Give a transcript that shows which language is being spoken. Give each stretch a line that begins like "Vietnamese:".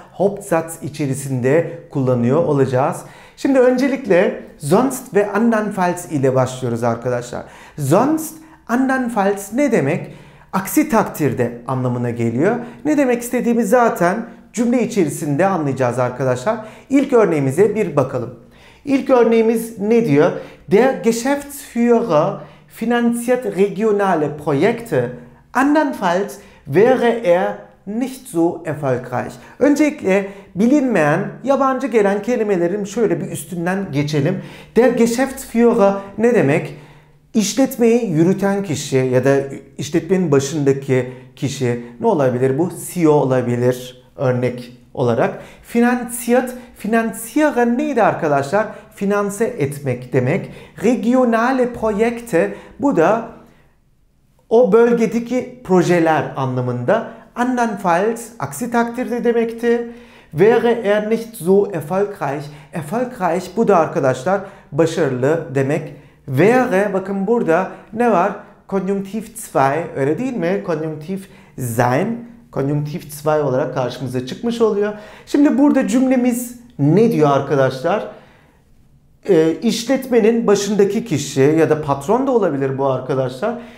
Turkish: Hauptsatz içerisinde kullanıyor olacağız. Şimdi öncelikle sonst ve andernfalls ile başlıyoruz arkadaşlar. Sonst, andernfalls ne demek? Aksi takdirde anlamına geliyor. Ne demek istediğimi zaten cümle içerisinde anlayacağız arkadaşlar. İlk örneğimize bir bakalım. İlk örneğimiz ne diyor?
German: Der Geschäftsführer finanziert regionale Projekte. Andernfalls wäre er nicht so erfolgreich.
Turkish: Öncelikle bilinmeyen, yabancı gelen kelimelerin şöyle bir üstünden geçelim. Der Geschäftsführer ne demek? İşletmeyi yürüten kişi ya da işletmenin başındaki kişi, ne olabilir bu? CEO olabilir örnek olarak. Finanziert, finanzieren neydi arkadaşlar? Finanse etmek demek. Regionale Projekte, bu da o bölgedeki projeler anlamında. Andernfalls, aksi takdirde demekti.
German: Wäre er nicht so erfolgreich.
Turkish: Erfolgreich, bu da arkadaşlar başarılı demek. Wäre, bakın burada ne var? Konjunktiv 2, öyle değil mi? Konjunktiv sein, konjunktiv 2 olarak karşımıza çıkmış oluyor. Şimdi burada cümlemiz ne diyor arkadaşlar? İşletmenin başındaki kişi ya da patron da olabilir bu arkadaşlar.